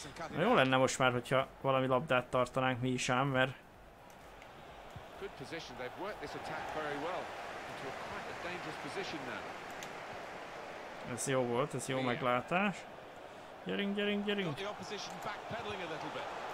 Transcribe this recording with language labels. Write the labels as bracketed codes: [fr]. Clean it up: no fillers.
[hu] Na jó lenne most már, hogyha valami labdát tartanánk mi is ám, mert... [en] Good position. They've worked this attack very well into quite a dangerous position now. [hu] Ez jó volt, ez jó meglátás. Gyerünk, gyerünk, gyerünk. [en] The opposition backpedaling a little bit.